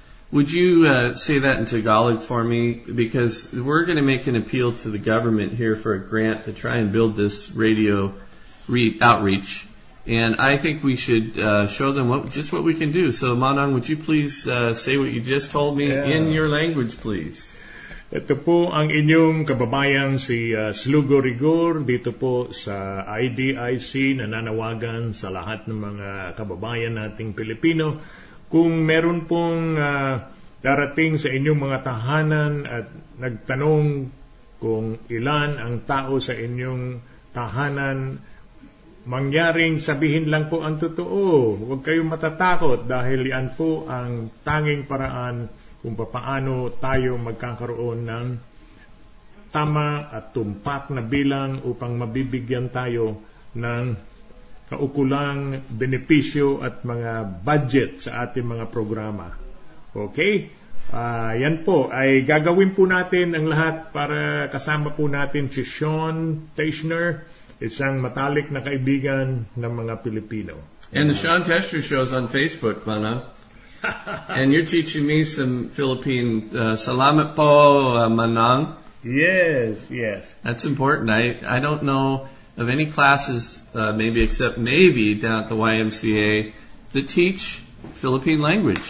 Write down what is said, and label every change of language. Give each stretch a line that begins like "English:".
English: Would you say that in Tagalog for me? Because we're going to make an appeal to the government here for a grant to try and build this radio outreach. And I think we should show them what we can do. So, Manong, would you please say what you just told me in your language, please?
Filipino: Ito po ang inyong kababayan, si Slugo Rigor, dito po sa IDIC, nananawagan sa lahat ng mga kababayan nating Pilipino. Kung meron pong darating sa inyong mga tahanan at nagtanong kung ilan ang tao sa inyong tahanan, mangyaring sabihin lang po ang totoo. Huwag kayong matatakot dahil yan po ang tanging paraan kung paano tayo magkakaroon ng tama at tumpak na bilang upang mabibigyan tayo ng kaukulang benepisyo at mga budget sa ating mga programa. Okay? Yan po. Ay gagawin po natin ang lahat para kasama po natin si Sean Teichner, isang matalik na kaibigan ng mga Pilipino.
English: And the Sean Teichner Show is on Facebook, Mana. And you're teaching me some Philippine
Filipino: salamat po, Manang.
English: Yes, yes. That's important. I don't know of any classes, except down at the YMCA, that teach Philippine language.